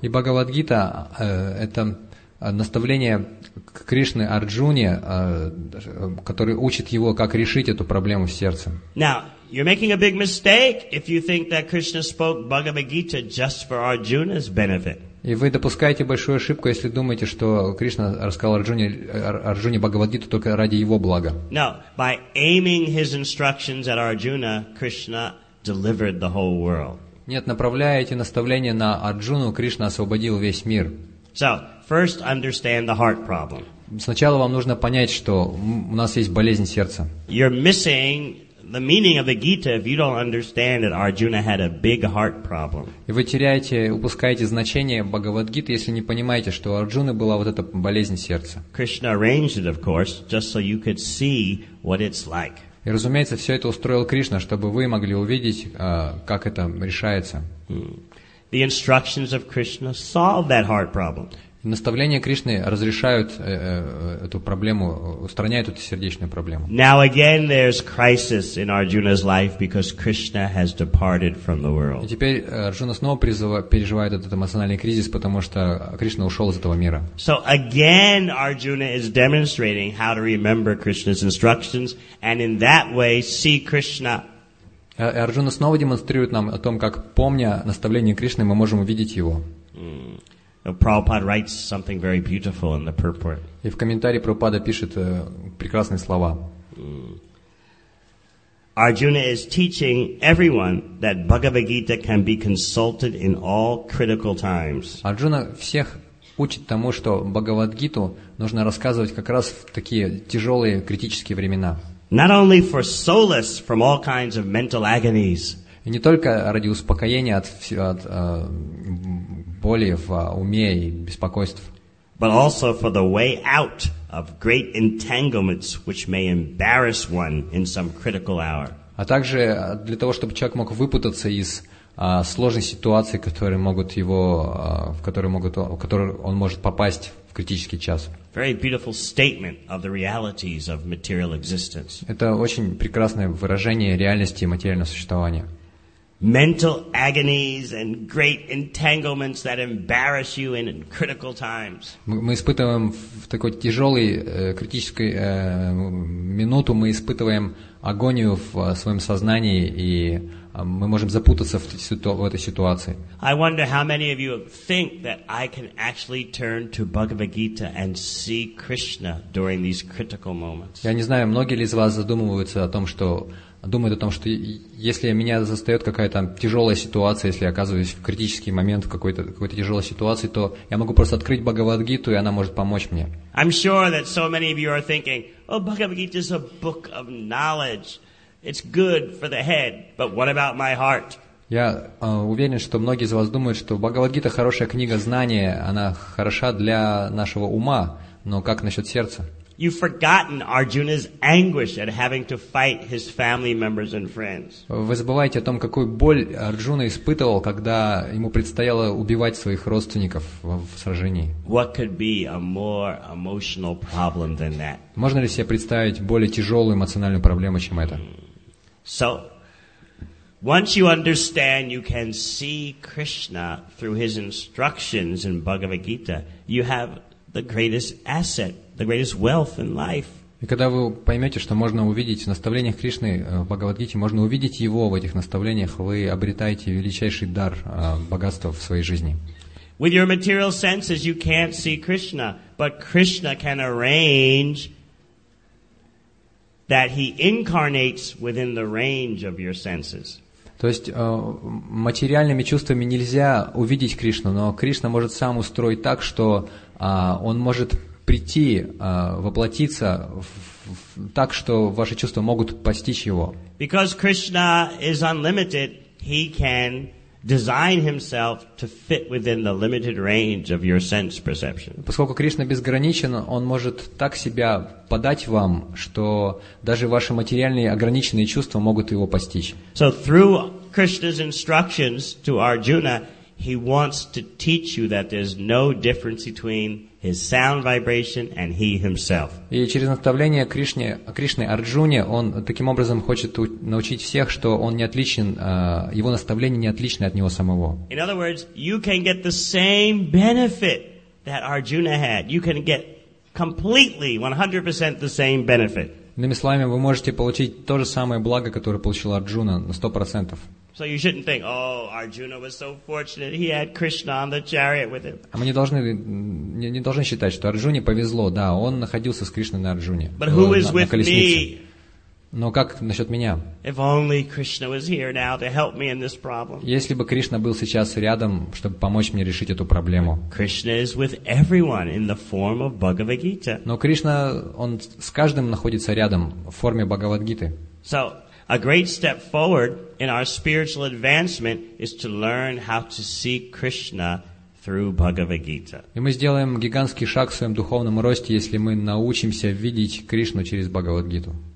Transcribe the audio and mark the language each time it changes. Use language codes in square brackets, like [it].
[ru] И Бхагавад Гита это наставление Кришны Арджуне, который учит его, как решить эту проблему в сердце. [en] Now, you're making a big mistake if you think that Krishna spoke Bhagavad Gita just for Arjuna's benefit. [ru] И вы допускаете большую ошибку, если думаете, что Кришна рассказал Арджуне Бхагавад Гиту только ради его блага. [en] No, by aiming his instructions at Arjuna, Krishna delivered the whole world. [ru] Нет, направляя эти наставления на Арджуну, Кришна освободил весь мир. [en] So, first understand the heart problem. [ru] Сначала вам нужно понять, что у нас есть болезнь сердца. [en] You're missing the meaning of the Gita if you don't understand that Arjuna had a big heart problem. [ru] И вы теряете, упускаете значение Бхагавад-гиты, если не понимаете, что у Арджуны была вот эта болезнь сердца. [en] Krishna arranged it, of course, just so you could see what it's like. [ru] И, разумеется, все это устроил Кришна, чтобы вы могли увидеть, как это решается. [en] The instructions of Krishna solve that heart problem. [ru] Наставления Кришны разрешают эту проблему, устраняют эту сердечную проблему. [en] Now again there's crisis in Arjuna's life because Krishna has departed from the world. [ru] И теперь Арджуна снова переживает этот эмоциональный кризис, потому что Кришна ушел из этого мира. [en] So again Arjuna is demonstrating how to remember Krishna's instructions and in that way see Krishna. [ru] И Арджуна снова демонстрирует нам о том, как, помня наставление Кришны, мы можем увидеть его. [en] Prabhupada writes something very beautiful in the purport. [ru] И в комментарии Прабхупада пишет прекрасные слова. [en] Arjuna is teaching everyone that Bhagavad Gita can be consulted in all critical times. [ru] Арджуна всех учит тому, что Бхагавад-гиту нужно рассказывать как раз в такие тяжелые критические времена. [en] Not only for solace from all kinds of mental agonies. [ru] И не только ради успокоения от боли в уме и беспокойств. [en] But also for the way out of great entanglements which may embarrass one in some critical hour. [ru] А также для того, чтобы человек мог выпутаться из сложной ситуации, в которую он может попасть в критический час. [en] Very beautiful statement of the realities of material existence. [ru] Это очень прекрасное выражение реальности материального существования. [en] Mental agonies and great entanglements that embarrass you in critical times. [ru] Мы испытываем в такой тяжелой критической минуту, мы испытываем агонию в своем сознании и мы можем запутаться в этой ситуации. [en] I wonder how many of you think that I can actually turn to Bhagavad Gita and see Krishna during these critical moments. [ru] Я не знаю, многие ли из вас думают о том, что если меня застает какая-то тяжелая ситуация, если я оказываюсь в критический момент в какой-то тяжелой ситуации, то я могу просто открыть Бхагавад Гиту, и она может помочь мне. [en] I'm sure that so many of you are thinking, oh, Bhagavad Gita is a book of knowledge. It's good for the head, but what about my heart? [ru] Я уверен, что многие из вас думают, что Бхагавад-гита хорошая книга знания, она хороша для нашего ума, но как насчет сердца? [en] You've forgotten Arjuna's anguish at having to fight his family members and friends. [ru] Вы забываете о том, какую боль Арджуна испытывал, когда ему предстояло убивать своих родственников в сражении. [en] What could be a more emotional problem than that? [ru] Можно ли себе представить более тяжелую эмоциональную проблему, чем это? [en] So, once you understand you can see Krishna through his instructions in Bhagavad Gita, you have the greatest asset, the greatest wealth in life. [ru] И когда вы поймете, что можно увидеть в наставлениях Кришны в Бхагавад-гите, можно увидеть Его в этих наставлениях, вы обретаете величайший дар богатства в своей жизни. [en] With your material senses, you can't see Krishna, but Krishna can arrange that He incarnates within the range of your senses. [ru] То есть материальными чувствами нельзя увидеть Кришну, но Кришна может сам устроить так, что Он может прийти, воплотиться так, что ваши чувства могут постичь Его. [en] Because Krishna is unlimited, He can design Himself to fit within the limited range of your sense perception. [ru] Поскольку Кришна безграничен, Он может так себя подать вам, что даже ваши материальные ограниченные чувства могут Его постичь. [en] So through Krishna's instructions to Arjuna, He wants to teach you that there's no difference between His sound vibration and He Himself. [ru] И через наставление Кришны Арджуне он таким образом хочет научить всех, что он не отличен, его наставление не отличны от него самого. [en] In other words, you can get the same benefit that Arjuna had. You can get completely 100% the same benefit. [ru] Иными словами, вы можете получить то же самое благо, которое получил Арджуна, на 100%. [en] So you shouldn't think, oh, Arjuna was so fortunate, he had Krishna on the chariot with him. [ru] Мы не должны считать, что Арджуне повезло, да, он находился с Кришной на Арджуне. [en] But who is with me? [ru] Но как насчет меня? [en] If only Krishna was here now to help me in this problem. [ru] Если бы Кришна был сейчас рядом, чтобы помочь мне решить эту проблему. [en] Krishna is with everyone in the form of Bhagavad Gita. [ru] Но Кришна, он с каждым находится рядом в форме Бхагавад-гиты. [en] So a great step forward in our spiritual advancement is to learn how to see Krishna through Bhagavad Gita. [ru] И мы сделаем гигантский шаг в своем духовном росте, если мы научимся видеть Кришну через Бхагавад-гиту.